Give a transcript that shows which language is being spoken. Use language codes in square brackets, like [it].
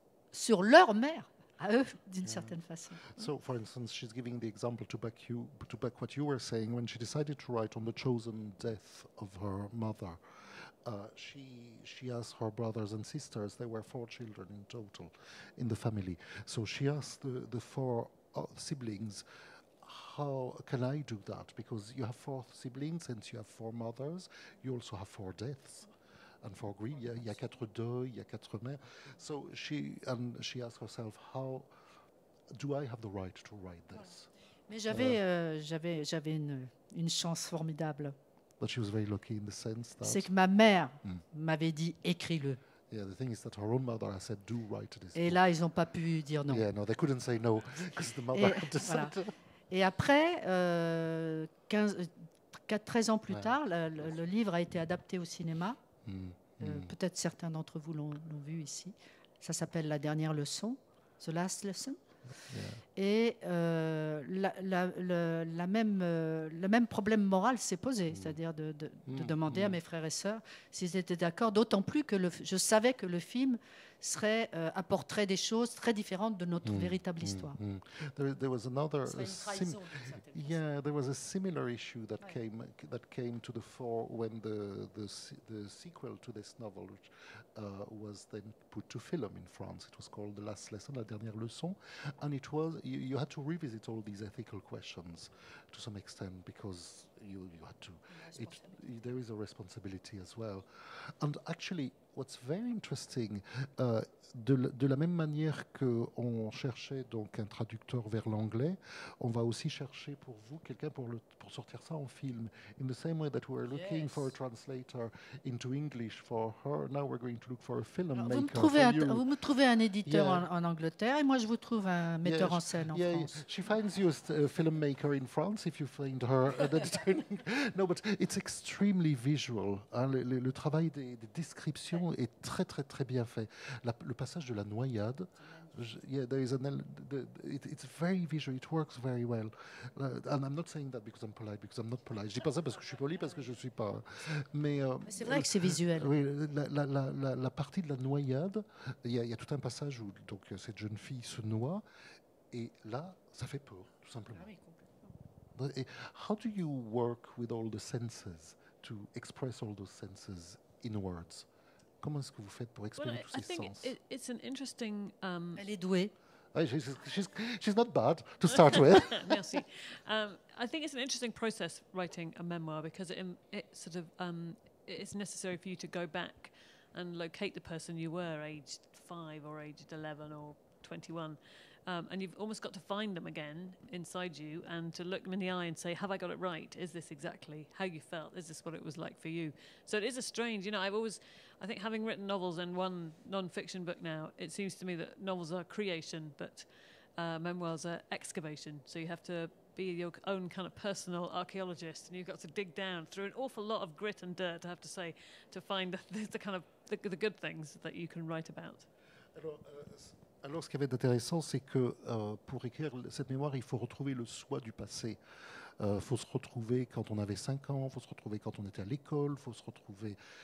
[fr] sur leur mère, à eux, d'une certaine façon. [en] So, for instance, she's giving the example to back what you were saying. When she decided to write on the chosen death of her mother, she asked her brothers and sisters. There were four children in total in the family. So she asked the four siblings, how can I do that? Because you have four siblings, since you have four mothers, you also have four deaths and four grief. [fr] Il y a quatre deuils, il y a quatre mères. [en] So she asked herself, how do I have the right to write this? [fr] Mais j'avais une chance formidable. [en] But she was very lucky in the sense that [fr] c'est que ma mère m'avait dit, écris-le. [en] Yeah, the thing is that her own mother has said, do write this. [fr] Et là, ils n'ont pas pu dire non. [en] Yeah, no, they couldn't say no because the mother had decided. [fr] Voilà. Et après, 13 ans plus tard, le livre a été adapté au cinéma. Peut-être certains d'entre vous l'ont vu ici. Ça s'appelle La dernière leçon, The Last Lesson. Yeah. Et le même problème moral s'est posé, c'est-à-dire de demander à mes frères et sœurs s'ils étaient d'accord, d'autant plus que je savais que le film serait apporterait des choses très différentes de notre véritable histoire. [en] There was another there was a similar issue that came to the fore when the sequel to this novel was then put to film in France. It was called The Last Lesson, La dernière leçon, and it was you had to revisit all these ethical questions to some extent because you had to. There is a responsibility as well, and actually. What's very interesting, [fr] de la même manière qu'on cherchait donc un traducteur vers l'anglais, on va aussi chercher pour vous quelqu'un pour sortir ça en film. [en] In the same way that we're looking for a translator into English for her, now we're going to look for a filmmaker for you. [fr] Vous me trouvez un éditeur en Angleterre et moi je vous trouve un metteur en scène en France. [en] She finds you a filmmaker in France if you find her. No, but it's extremely visual. [fr] Hein, le travail des descriptions est très très très bien fait. Le passage de la noyade, [en] it's very visual. It works very well. And I'm not saying that because I'm polite, because I'm not polite. [fr] Je dis pas ça parce que je suis poli, parce que je suis pas. Mais c'est vrai que c'est visuel. Oui, la partie de la noyade, il y a tout un passage où donc cette jeune fille se noie, et là, ça fait peur, tout simplement. Ah oui, complètement. [en] How do you work with all the senses to express all those senses in words? [fr] Comment est-ce que vous faites pour exprimer tous ces sens? [en] It's an interesting. [fr] Elle est douée. [en] She's not bad to start with. [fr] Merci. [en] I think it's an interesting process writing a memoir because it's necessary for you to go back and locate the person you were aged 5 or aged 11 or 21, and you've almost got to find them again inside you and to look them in the eye and say, have I got it right? Is this exactly how you felt? Is this what it was like for you? So it is a strange. You know, I've always. I think having written novels and one non-fiction book now, it seems to me that novels are creation, but memoirs are excavation. So you have to be your own kind of personal archaeologist, and you've got to dig down through an awful lot of grit and dirt, I have to say, to find the good things that you can write about. [fr] Alors, ce qui avait d'intéressant, c'est que pour écrire cette mémoire, il faut retrouver le soi du passé. Il faut se retrouver quand on avait 5 ans, il faut se retrouver quand on était à l'école, il faut se retrouver.